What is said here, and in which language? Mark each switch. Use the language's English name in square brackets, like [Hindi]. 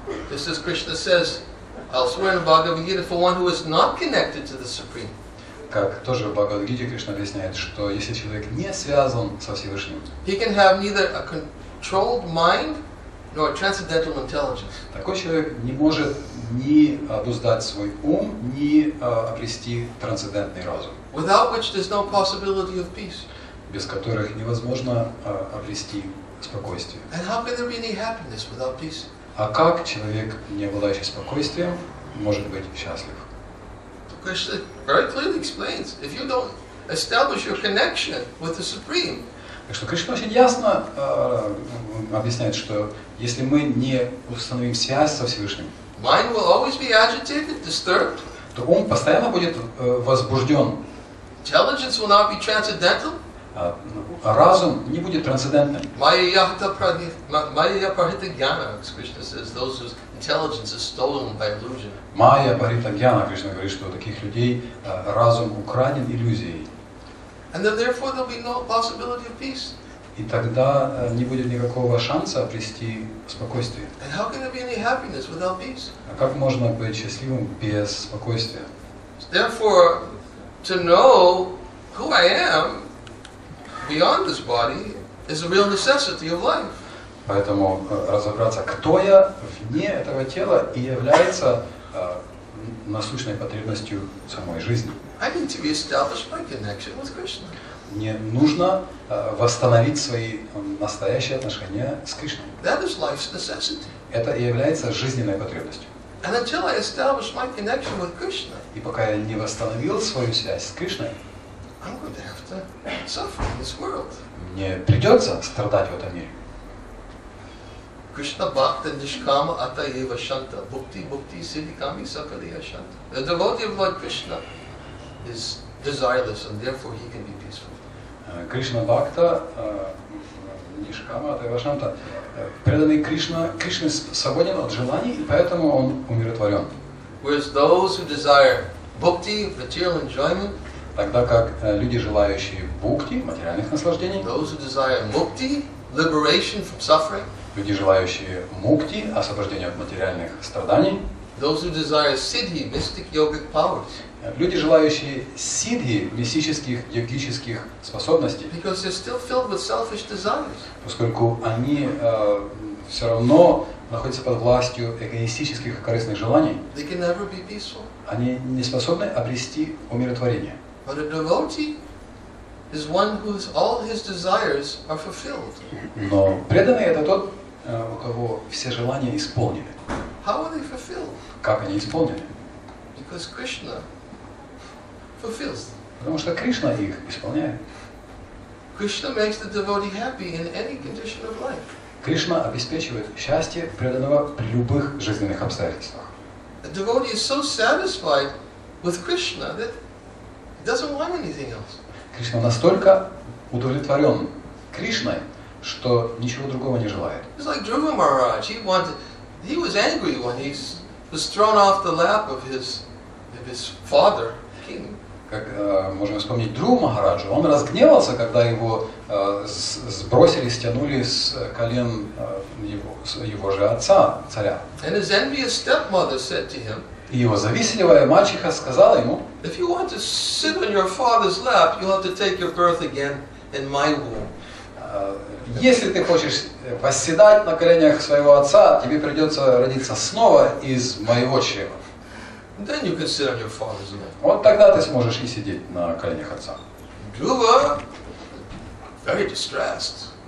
[English] Just as Krishna says elsewhere in the Bhagavad Gita, for one who is not connected to the Supreme. [Russian] Как тоже в Бхагавад-гите Кришна объясняет, что если человек не связан со Всевышним, [English] he can have neither a controlled mind nor a transcendental intelligence. [Russian] Такой человек не может ни обуздать свой ум, ни обрести трансцендентный разум. [English] Without which there's no possibility of peace. [Russian] Без которых невозможно обрести спокойствие. [English] And how can there be any happiness without peace? [Russian] А как человек, не обладающий спокойствием, может быть счастлив? [English] Krishna very clearly explains, if you don't establish your connection with the Supreme. [Russian] Так что Кришна очень ясно объясняет, что если мы не установим связь со Всевышним, [English] mind will always be agitated, disturbed. [Russian] То ум постоянно будет возбужден. [English] Intelligence will not be transcendental. [Russian] Разум не будет трансцендентным. [Sanskrit] Майя прахита гьяна, [English] as Krishna says, those whose intelligence is stolen by illusion. [Sanskrit] Майя прахита гьяна, [Russian] Кришна говорит, что таких людей разум украден иллюзией. [English] And then, therefore, there'll be no possibility of peace. [Russian] И тогда не будет никакого шанса обрести спокойствие. [English] And how can there be any happiness without peace? [Russian] А как можно быть счастливым без спокойствия? [English] Therefore, to know who I am beyond this body is a real necessity of life. [Russian] Поэтому разобраться, кто я вне этого тела, и является насущной потребностью самой жизни. [English] I need to establish my connection with Krishna. [Russian] Мне нужно восстановить свои настоящие отношения с Кришной. [English] That is life's necessity. [Russian] Это и является жизненной потребностью. [English] And until I establish my connection with Krishna, [Russian] и пока я не восстановил свою связь с Кришной, [English] I'm going to have to suffer in this world. [Russian] Мне придется страдать в этом мире. [Sanskrit] Krishna bhakta nishkama ata eva shanta bhukti bhukti siddhikami sakaliya shanta. [English] The devotee of Lord Krishna is desireless and therefore he can be peaceful. [Sanskrit] Krishna bhakta nishkama ata eva shanta. [Russian] Преданный Кришна, Кришна свободен от желаний, и поэтому он умиротворен. [English] Whereas those who desire bhukti, material enjoyment, [Russian] тогда как люди, желающие бхукти, материальных наслаждений, [English] those who desire mukti, liberation from suffering, [Russian] люди, желающие мукти, освобождение от материальных страданий, [English] those who desire siddhi, mystic yogic powers, [Russian] люди, желающие сиддхи, мистических йогических способностей, [English] because they're still filled with selfish desires, [Russian] поскольку они все равно находятся под властью эгоистических корыстных желаний, [English] they can never be peaceful. [Russian] Они не способны обрести умиротворение. [English] But a devotee is one whose all his desires are fulfilled. [Russian] Но преданный это тот, у кого все желания исполнены. [English] How are they fulfilled? [Russian] Как они исполнены? [English] Because Krishna fulfills them. [Russian] Потому что Кришна их исполняет. [English] Krishna makes the devotee happy in any condition of life. [Russian] Кришна обеспечивает счастье преданного при любых жизненных обстоятельствах. [English] A devotee is so satisfied with Krishna that he doesn't want anything else. [Russian] Кришна настолько удовлетворен Кришной, что ничего другого не желает. [English] It's like Dhruva Maharaj. He wanted. He was angry when he was thrown off the lap of his father, king. [Russian] Как можем вспомнить Дхрува Махараджу? Он разгневался, когда его сбросили, стянули с колен его же отца, царя. [English] And his envious stepmother said to him. [Russian] И его завистливая мачеха сказала ему: [English] if you want to sit on your father's lap, you'll have to take your birth again in my womb. [Russian] Если ты хочешь восседать на коленях своего отца, тебе придется родиться снова из моего чрева. [English] Then you can sit on your father's lap. [Russian] Вот тогда ты сможешь и сидеть на коленях отца. [English] Dhruva, very distressed.